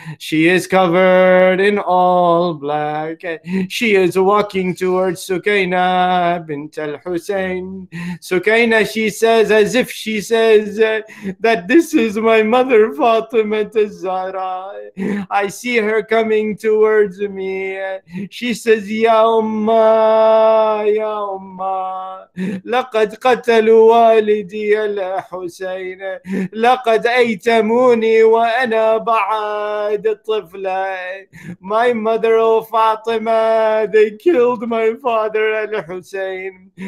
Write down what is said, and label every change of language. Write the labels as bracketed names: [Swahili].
[English] She is covered in all black. She is walking towards Sukaina bint al-Husayn. Sukaina, she says, as if she says, that this is my mother, Fatima al-Zahra. I see her coming towards me. She says, [Arabic] Ya Umma, Ya Umma, لقد قتلوا والدي الحسين لقد ايتموني وانا بعد طفله. [English] My mother, oh Fatima, they killed my father al-Hussein.